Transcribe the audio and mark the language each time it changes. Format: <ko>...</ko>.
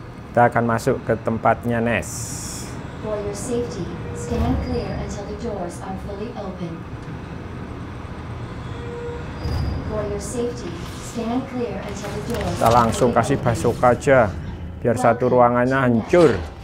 <id>kita akan masuk ke tempatnya Nes.</id> <en>For your safety, stand clear until the doors are fully open. For your safety, stand clear until the doors are fully open.</en> <id>Kita langsung kasih Bazooka aja, biar satu ruangannya hancur.</id>